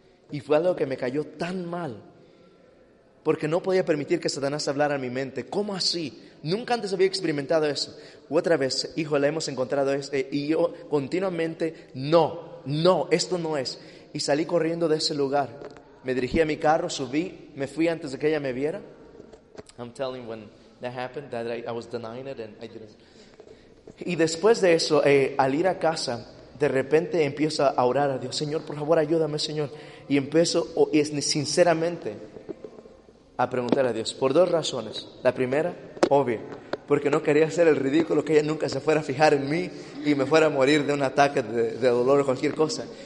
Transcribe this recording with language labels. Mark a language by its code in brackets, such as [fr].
[es] Y fue algo que me cayó tan mal, porque no podía permitir que Satanás hablara a mi mente. ¿Cómo así? Nunca antes había experimentado eso. U otra vez, hijo, la hemos encontrado. Y yo continuamente, no, no, esto no es. Y salí corriendo de ese lugar. Me dirigí a mi carro, subí, me fui antes de que ella me viera. [en] I'm telling when that happened, that I was denying it and I didn't. [es] Y después de eso, al ir a casa, de repente empiezo a orar a Dios. Señor, por favor, ayúdame, Señor. Y empiezo, sinceramente, a preguntar a Dios. Por dos razones. La primera, obvia. Porque no quería hacer el ridículo que ella nunca se fuera a fijar en mí y me fuera a morir de un ataque de dolor o cualquier cosa.